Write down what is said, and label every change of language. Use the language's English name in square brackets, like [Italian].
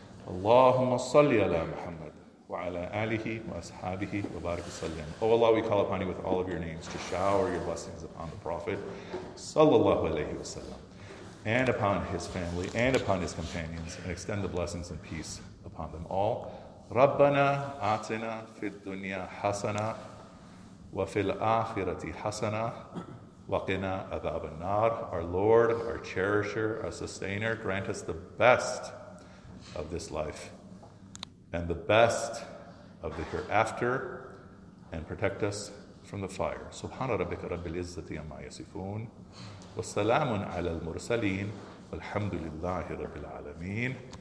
[Arabic] اللهم صل على محمد وعلى آله وأصحابه وبارك وسلم. [English] O Allah, we call upon you with all of your names to shower your blessings upon the Prophet صلى الله عليه وسلم and upon his family and upon his companions, and extend the blessings and peace upon them all. [Arabic] ربنا آتنا في الدنيا حسنة وفي الآخرة حسنة وقنا عذاب النار. [English] Our Lord, our Cherisher, our Sustainer, grant us the best of this life and the best of the hereafter, and protect us from the fire. [Arabic] سبحان ربك رب العزة عما يصفون والسلام على المرسلين والحمد لله رب العالمين.